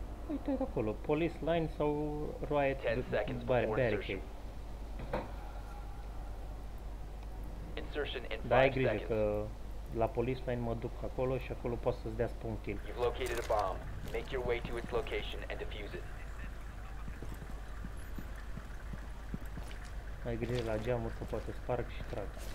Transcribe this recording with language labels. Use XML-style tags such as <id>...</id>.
<ro>Uite acolo, police line sau riot barricade. Da, ai grijă că la police line mă duc acolo și acolo poate să-ți dea spawn kill.</ro> <en>You've located a bomb. Make your way to its location and defuse it.</en> <ro>Ai grijă la geamuri că poate sparg și trag.</ro>